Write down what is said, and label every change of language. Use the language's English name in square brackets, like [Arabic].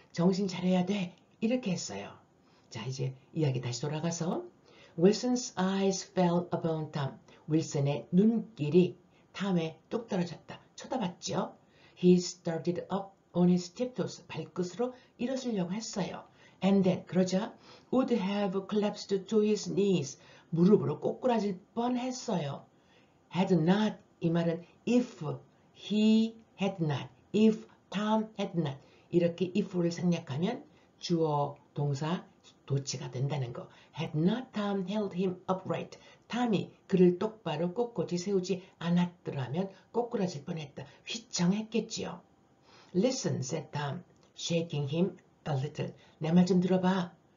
[Korean] 정신 차려야 돼. 이렇게 했어요. 자, 이제 이야기 다시 돌아가서 [English] Wilson's eyes fell upon Tom. [Korean] 윌슨의 눈길이 탐에 뚝 떨어졌다. 쳐다봤죠? [English] He started up on his tiptoes. [Korean] 발끝으로 일어서려고 했어요. [English] And then, [Korean] 그러자, [English] would have collapsed to his knees. [Korean] 무릎으로 꼬꾸라질 뻔했어요. [English] Had not, [Korean] 이 말은 [English] if he had not, if Tom had not. [Korean] 이렇게 if를 생략하면 주어, 동사, 도치가 된다는 거. [English] Had not Tom held him upright. [Korean] 탐이 그를 똑바로 꼿꼿이 세우지 않았더라면 꼬꾸라질 뻔했다. 휘청했겠지요. [English] Listen, said Tom, shaking him a little. [Korean] 내 말 좀 들어봐.